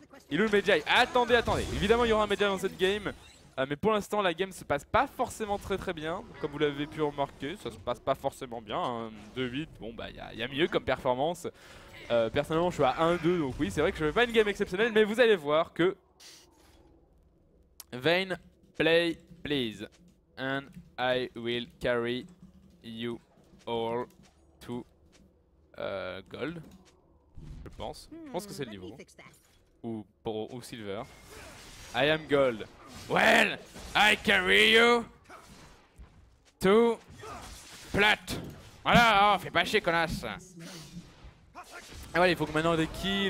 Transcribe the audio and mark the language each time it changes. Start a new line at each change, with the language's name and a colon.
French: Il est où le Medjay? Attendez, attendez. Évidemment, il y aura un Medjay dans cette game. Mais pour l'instant, la game se passe pas forcément très très bien. Comme vous l'avez pu remarquer, ça se passe pas forcément bien. Hein. 2-8, bon bah y a mieux comme performance. Personnellement, je suis à 1-2, donc oui, c'est vrai que je fais pas une game exceptionnelle. Mais vous allez voir que.
English: Vayne, play please. And I will carry you all to gold.
French: Je pense que c'est le niveau. Ou silver.
English: I am gold. Well, I carry you to plat.
French: Voilà, oh, fais pas chier, connasse. Ah ouais, il faut que maintenant des kills.